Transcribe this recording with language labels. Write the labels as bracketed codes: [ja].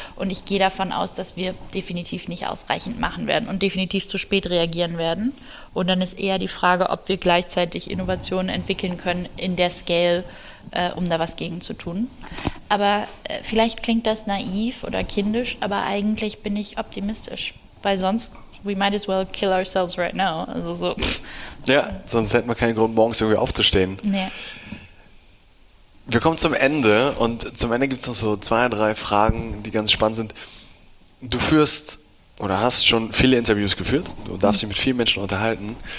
[de] Und ich gehe davon aus, dass wir definitiv nicht ausreichend machen werden und definitiv zu spät reagieren werden. Und dann ist eher die Frage, ob wir gleichzeitig Innovationen entwickeln können in der Scale, um da was gegen zu tun. Aber vielleicht klingt das naiv oder kindisch, aber eigentlich bin ich optimistisch. Weil sonst, [en] we might as well kill ourselves right now. [de] Also so. Ja, sonst hätten wir keinen Grund, morgens irgendwie aufzustehen. Nee. Wir kommen zum Ende und zum Ende gibt es noch so zwei, drei Fragen, die ganz spannend sind. Du führst oder hast schon viele Interviews geführt, du darfst dich mit vielen Menschen unterhalten.